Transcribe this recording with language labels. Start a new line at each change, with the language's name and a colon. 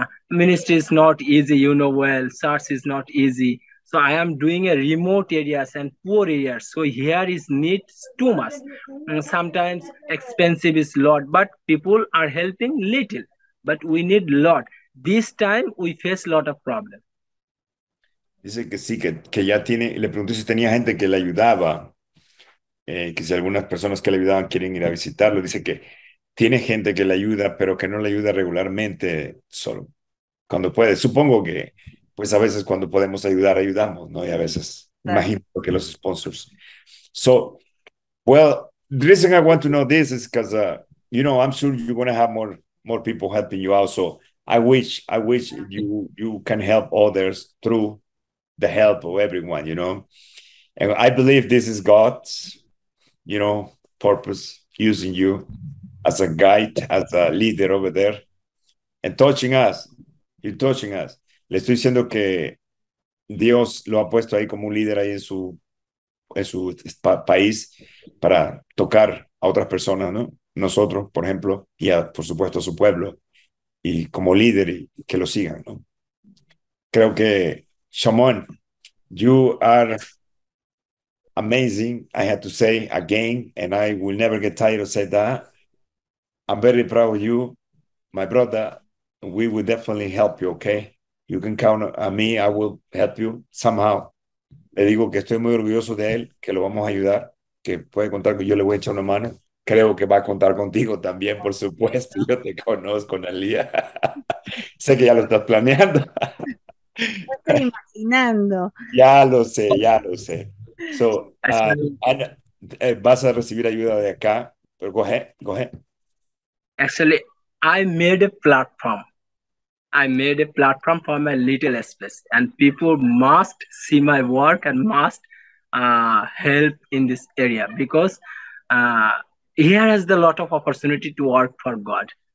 English: Ministry is not easy, you know well. SARS is not easy. So I am doing a remote areas and poor areas. So here is needs too much. And sometimes expensive is lot, but people are helping little. But we need lot. This time we face a lot of problems.
Spanish: Dice que sí, que ya tiene, le pregunté si tenía gente que le ayudaba, que si algunas personas que le ayudaban quieren ir a visitarlo. Dice que tiene gente que le ayuda, pero que no le ayuda regularmente solo. Cuando puede, supongo que, pues a veces cuando podemos ayudar, ayudamos, ¿no? Y a veces, imagino que los sponsors.
English: So, well, the reason I want to know this is because, you know, I'm sure you're going to have more people helping you out. So I wish you can help others through the help of everyone, you know? And I believe this is God's, you know, purpose, using you as a guide, as a leader over there, and touching us. You're touching us.
Spanish: Le estoy diciendo que Dios lo ha puesto ahí como un líder ahí en su país para tocar a otras personas, ¿no? Nosotros, por ejemplo, y por supuesto a su pueblo, y como líder y que lo sigan, ¿no? Creo que,
English: Shamon, you are amazing, I have to say again, and I will never get tired of saying that. I'm very proud of you, my brother. We will definitely help you, okay? You can count on me. I will help you somehow.
Spanish: Le digo que estoy muy orgulloso de él, que lo vamos a ayudar, que puede contar que yo le voy a echar una mano. Creo que va a contar contigo también, por supuesto. Yo te conozco, Nalia. Sé que ya lo estás planeando. Lo estoy imaginando. Ya lo sé. So, vas a recibir ayuda de acá, pero
English: go ahead.
Spanish: Excelente.
English: I made a platform for my little space, and people must see my work and must help in this area because here has the lot of opportunity to work for God.